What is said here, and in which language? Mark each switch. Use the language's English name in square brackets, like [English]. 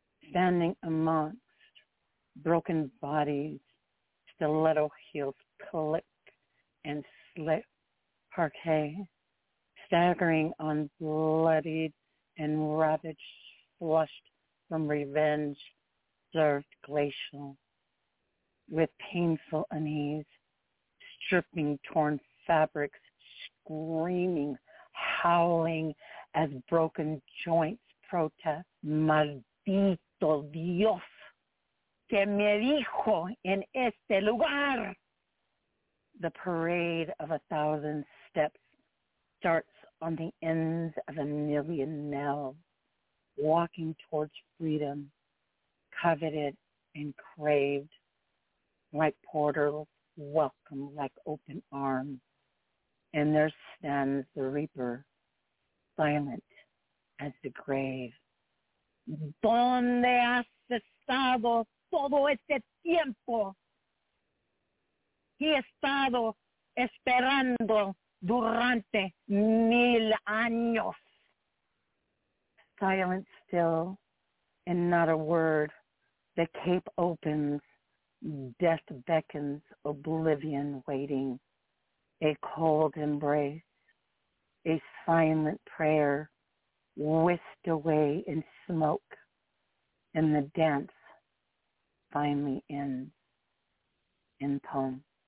[English] Standing amongst broken bodies, stiletto heels click and slip, parquet, staggering on bloodied and ravaged, flushed from revenge, served glacial, with painful unease, stripping torn fabrics, screaming, howling as broken joints protest, maldito. [Spanish] Dios, que me dijo en este lugar. [English] The parade of a thousand steps starts on the ends of a million nails, walking towards freedom, coveted and craved, like portals welcome, like open arms. And there stands the reaper, silent as the grave. [Spanish] ¿Dónde has estado todo este tiempo? He estado esperando durante mil años. [English] Silent still, and not a word. The cape opens, death beckons, oblivion waiting. A cold embrace, a silent prayer, whisked away in smoke, and the dance finally ends in poem.